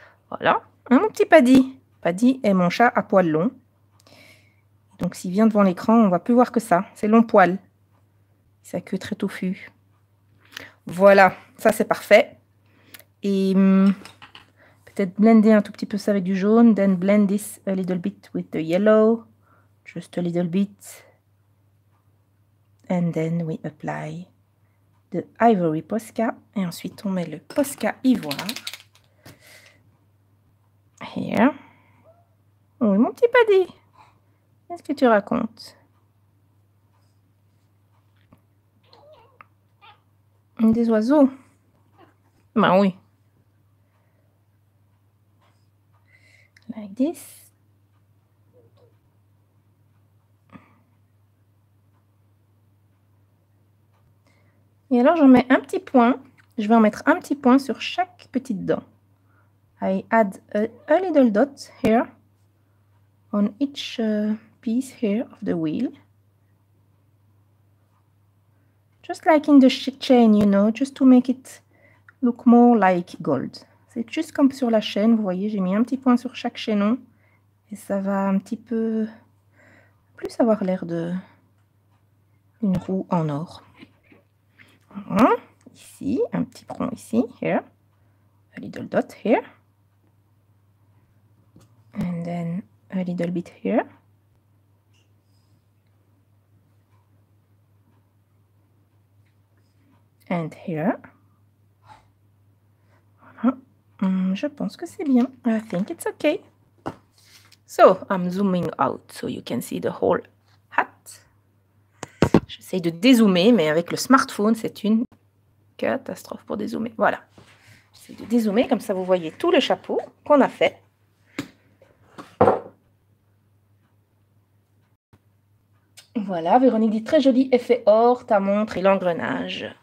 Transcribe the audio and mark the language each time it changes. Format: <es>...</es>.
<fr>Voilà, hein, mon petit paddy. Paddy est mon chat à poils longs. Donc, s'il vient devant l'écran, on ne va plus voir que ça. C'est long poil. Sa queue très touffue. Voilà, ça c'est parfait. Et peut-être blender un tout petit peu ça avec du jaune.</fr> <en>Then blend this a little bit with the yellow. Just a little bit. And then we apply the ivory Posca.</en> <fr>Et ensuite, on met le Posca ivoire.</fr> <en>Here.</en> <fr>Oui, mon petit paddy. Qu'est-ce que tu racontes? Des oiseaux? Ben oui.</fr> <en>Like this.</en> <fr>Et alors j'en mets un petit point. Je vais en mettre un petit point sur chaque petite dent.</fr> <en>I add a little dot here on each piece here of the wheel, just like in the chain, you know, just to make it look more like gold.</en> <fr>C'est juste comme sur la chaîne, vous voyez, j'ai mis un petit point sur chaque chaînon et ça va un petit peu plus avoir l'air de une roue en or. Ici, un petit point ici,</fr> <en>here, a little dot here, and then a little bit here. And here.</en> <fr>Voilà. Je pense que c'est bien.</fr> <en>I think it's okay. So, I'm zooming out so you can see the whole hat.</en> <fr>J'essaie de dézoomer, mais avec le smartphone, c'est une catastrophe pour dézoomer. Voilà. J'essaie de dézoomer, comme ça vous voyez tout le chapeau qu'on a fait. Voilà, Véronique dit très joli effet or, ta montre et l'engrenage.</fr>